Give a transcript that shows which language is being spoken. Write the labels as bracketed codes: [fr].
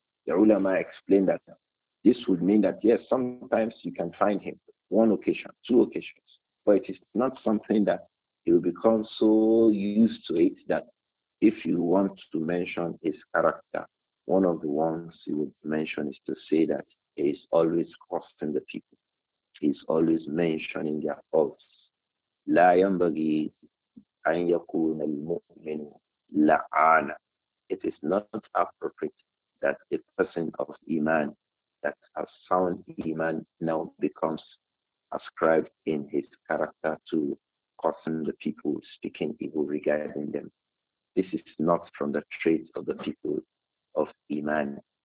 [en] The ulama explained that this would mean that yes, sometimes you can find him, one occasion, two occasions, but it is not something that he will become so used to it that if you want to mention his character, one of the ones you would mention is to say that he is always costing the people. He's always mentioning their faults. [ar] لا ينبغي أن يكون المؤمن لعانا. [en] It is not appropriate that a person of Iman, that has sound Iman, now becomes ascribed in his character to cursing the people, speaking evil regarding them. This is not from the traits of the people of Iman.